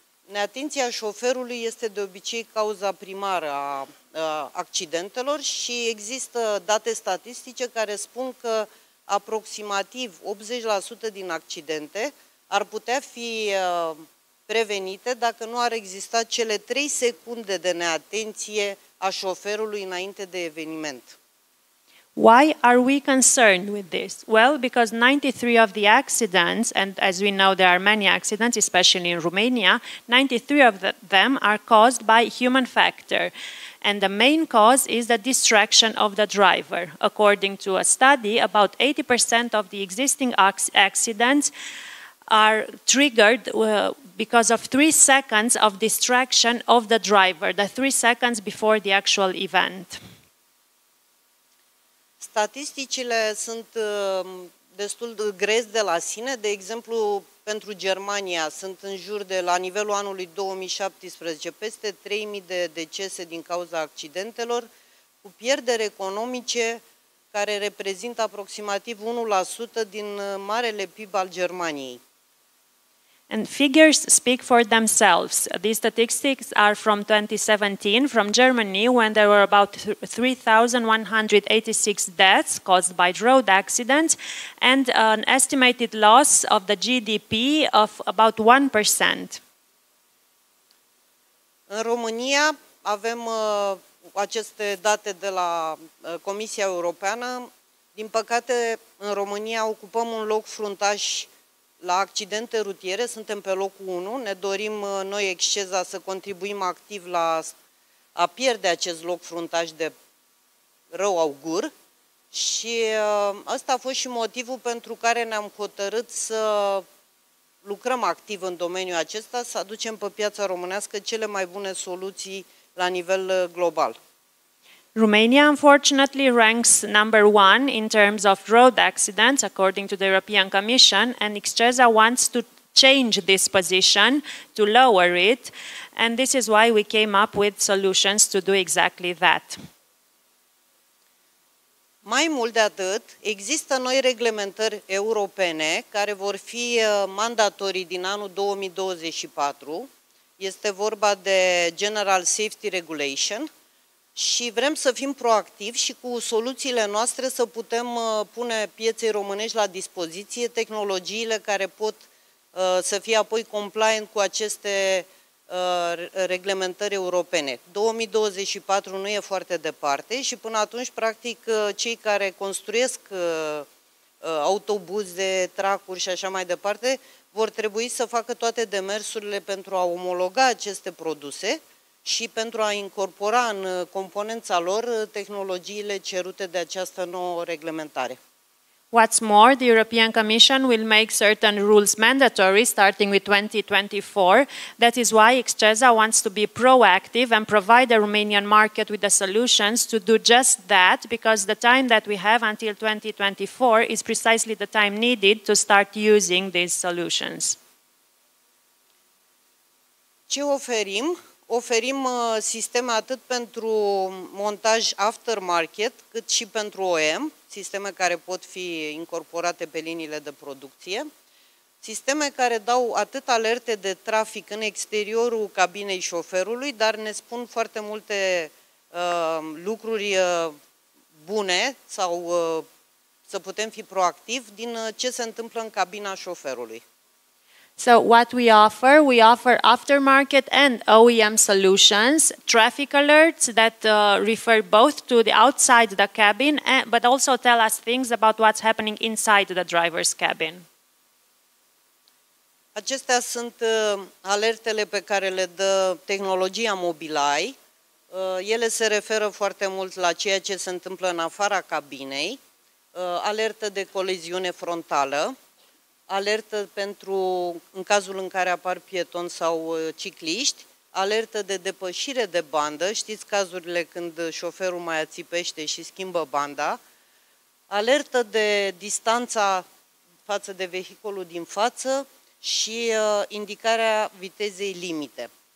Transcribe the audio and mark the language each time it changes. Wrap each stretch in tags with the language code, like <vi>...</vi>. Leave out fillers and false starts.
<ro>Neatenția șoferului este de obicei cauza primară a accidentelor și există date statistice care spun că aproximativ 80% din accidente ar putea fi prevenite dacă nu ar exista cele 3 secunde de neatenție a șoferului înainte de eveniment.</ro> <en>Why are we concerned with this? Well, because 93 of the accidents, and as we know there are many accidents, especially in Romania, 93 of them are caused by human factor. And the main cause is the distraction of the driver. According to a study, about 80% of the existing accidents are triggered because of 3 seconds of distraction of the driver, the 3 seconds before the actual event.</en> <ro>Statisticile sunt destul de grezi de la sine. De exemplu, pentru Germania sunt în jur de, la nivelul anului 2017, peste 3.000 de decese din cauza accidentelor, cu pierderi economice care reprezintă aproximativ 1% din marele PIB al Germaniei.</ro> <en>And figures speak for themselves. These statistics are from 2017 from Germany, when there were about 3,186 deaths caused by road accidents and an estimated loss of the GDP of about 1%.</en> <ro>În România avem aceste date de la Comisia Europeană. Din păcate, în România ocupăm un loc fruntaș la accidente rutiere, suntem pe locul 1, ne dorim noi Exceza să contribuim activ la a pierde acest loc fruntaș de rău augur și ăsta a fost și motivul pentru care ne-am hotărât să lucrăm activ în domeniul acesta, să aducem pe piața românească cele mai bune soluții la nivel global.</ro> <en>Romania, unfortunately, ranks number one in terms of road accidents, according to the European Commission, and Exceza wants to change this position, to lower it, and this is why we came up with solutions to do exactly that.</en> <ro>Mai mult de atât, există noi reglementări europene care vor fi mandatorii din anul 2024. Este vorba de General Safety Regulation. Și vrem să fim proactivi și cu soluțiile noastre să putem pune pieței românești la dispoziție tehnologiile care pot să fie apoi compliant cu aceste reglementări europene. 2024 nu e foarte departe și până atunci, practic, cei care construiesc autobuze, tracuri și așa mai departe, vor trebui să facă toate demersurile pentru a omologa aceste produse și pentru a incorpora în componența lor tehnologiile cerute de această nouă reglementare.</ro> <en>What's more, the European Commission will make certain rules mandatory starting with 2024. That is why Exceza wants to be proactive and provide the Romanian market with the solutions to do just that, because the time that we have until 2024 is precisely the time needed to start using these solutions.</en> <ro>Ce oferim? Oferim sisteme atât pentru montaj aftermarket, cât și pentru OEM, sisteme care pot fi incorporate pe liniile de producție, sisteme care dau atât alerte de trafic în exteriorul cabinei șoferului, dar ne spun foarte multe lucruri bune sau să putem fi proactivi din ce se întâmplă în cabina șoferului.</ro> <en>So what we offer aftermarket and OEM solutions, traffic alerts that refer both to the outside the cabin, but also tell us things about what's happening inside the driver's cabin.</en> <ro>Acestea sunt alertele pe care le dă tehnologia Mobileye. Ele se referă foarte mult la ceea ce se întâmplă în afara cabinei, alertă de coliziune frontală, alertă pentru în cazul în care apar pietoni sau cicliști, alertă de depășire de bandă, știți cazurile când șoferul mai ațipește și schimbă banda, alertă de distanța față de vehiculul din față și indicarea vitezei limite.</ro>